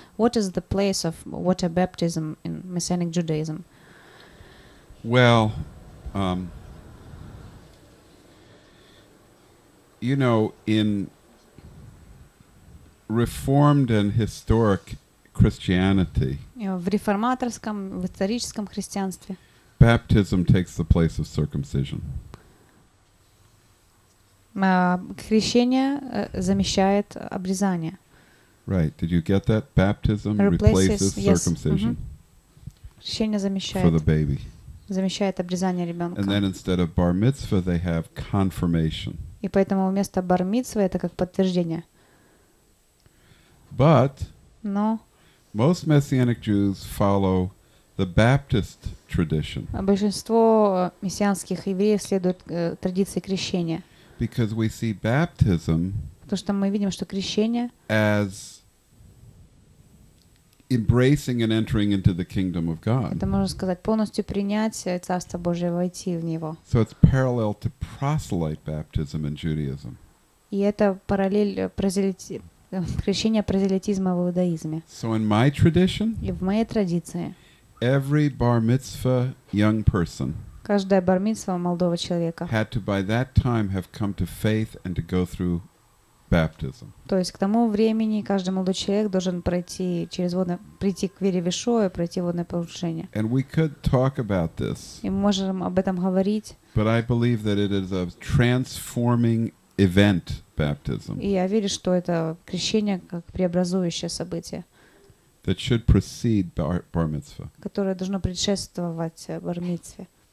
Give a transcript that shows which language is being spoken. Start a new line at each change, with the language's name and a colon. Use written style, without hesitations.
English: What is the place of water baptism in Messianic Judaism? Well, you know, in Reformed and historic Christianity.
Russian: В реформаторском, в историческом христианстве.
English: Baptism takes the place of circumcision.
Russian: Крещение замещает обрезание.
English: Right. Did you get that? Baptism replaces circumcision.
Russian: Крещение замещает.
English: For the baby.
Russian: Замещает обрезание ребенка.
English: And then instead of bar mitzvah, they have confirmation.
Russian: И поэтому вместо бар мицвы это как подтверждение.
English: But.
Russian: Но.
English: Most Messianic Jews follow the Baptist tradition.
Russian: Большинство мессианских евреев следует традиции крещения.
English: Because we see baptism.
Russian: Потому что мы видим, что крещение.
English: As embracing and entering into the kingdom of God.
Russian: Это можно сказать полностью принять Царство Божие, войти в него.
English: So it's parallel to proselyte baptism in Judaism.
Russian: И это параллель прозелитизму. Крещение прозелитизма в иудаизме.
English: So in my tradition,
Russian: и в моей традиции,
English: every bar mitzvah young person,
Russian: каждая бар мицва молодого человека,
English: had to by that time have come to faith and to go through baptism.
Russian: То есть к тому времени каждый молодой человек должен пройти через водное, прийти к вере в Иешуа, пройти водное погружение.
English: And we could talk about this.
Russian: И мы можем об этом говорить.
English: But I believe that it is a transforming event. Baptism.
Russian: И я верю, что это крещение как преобразующее событие.
English: That should precede bar mitzvah.
Russian: Которое должно предшествовать бар мицве.